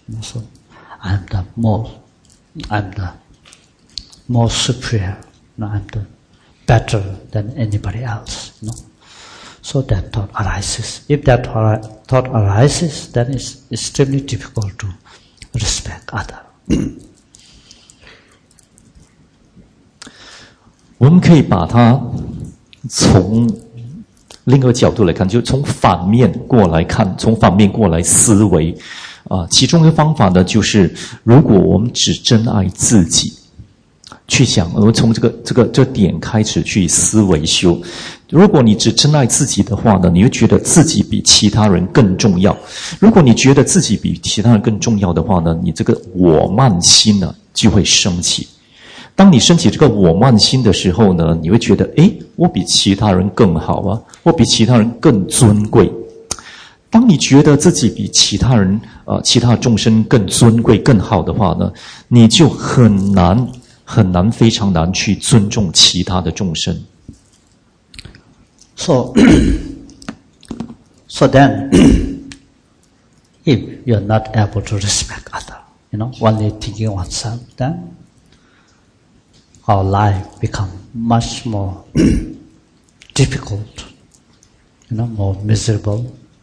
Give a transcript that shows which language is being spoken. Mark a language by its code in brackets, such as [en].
[en] You know, so, I'm the more superior, no, I'm the better than anybody else. No? So that thought arises. If that thought arises, then it's extremely difficult to respect other. [zh] 我们可以把它从另一个角度来看，就从反面过来看，从反面过来思维。其中一个方法呢，就是如果我们只珍爱自己，去想，我们从这个点开始去思维修。如果你只珍爱自己的话呢，你会觉得自己比其他人更重要。如果你觉得自己比其他人更重要的话呢，你这个我慢心呢就会升起。当你升起这个我慢心的时候呢，你会觉得，诶，我比其他人更好啊，我比其他人更尊贵。当你觉得自己比其他人其他众生更尊贵更好的话呢，你就很难很难非常难去尊重其他的众生。 [en] So then, if you're not able to respect other, you know, only thinking oneself, then our life become much more difficult, you know, more miserable.